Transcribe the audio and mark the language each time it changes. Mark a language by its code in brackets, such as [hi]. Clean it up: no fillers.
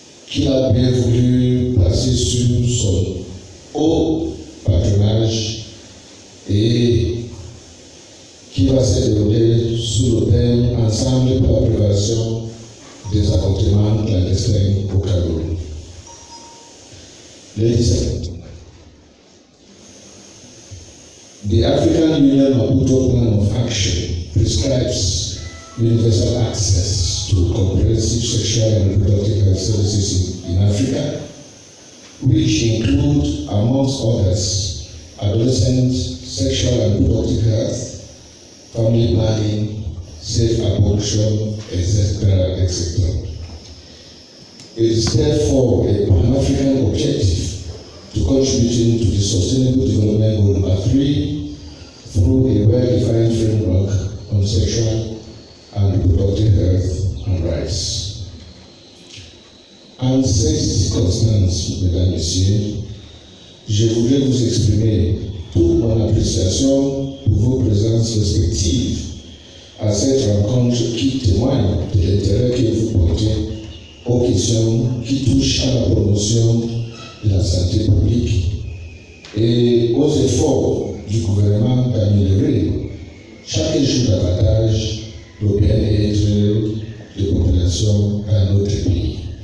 [fr] qui a bien voulu passer sous son haut patronage et qui va se dérouler sous le thème Ensemble pour la prévention des avortements clandestins au Cameroun. [en] Ladies and gentlemen, the African Union Maputo Plan of Action prescribes universal access to comprehensive sexual and reproductive health services in Africa, which include, amongst others, adolescent sexual and reproductive health, family planning, safe abortion, etc. It is therefore a Pan-African objective to contribute to the sustainable development goal number 3 through a well-defined framework on sexual and reproductive health and rights. [fr] En cette circonstance, Mesdames et Messieurs, je voudrais vous exprimer toute mon appréciation pour vos présences respectives à cette rencontre qui témoigne de l'intérêt que vous portez aux questions qui touchent à la promotion de la santé publique et aux efforts du gouvernement d'améliorer chaque jour davantage le bien-être des populations dans notre pays.